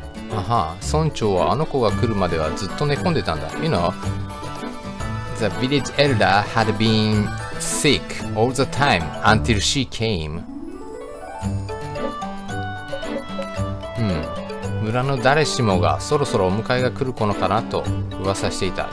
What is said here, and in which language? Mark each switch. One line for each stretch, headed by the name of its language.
Japanese: Aha, 村長はあの子が来るまではずっと寝込んでたんだ。
English: You know, the village elder had been sick all the time until she came.
Japanese: 村の誰しもがそろそろお迎えが来るのかなと噂していた。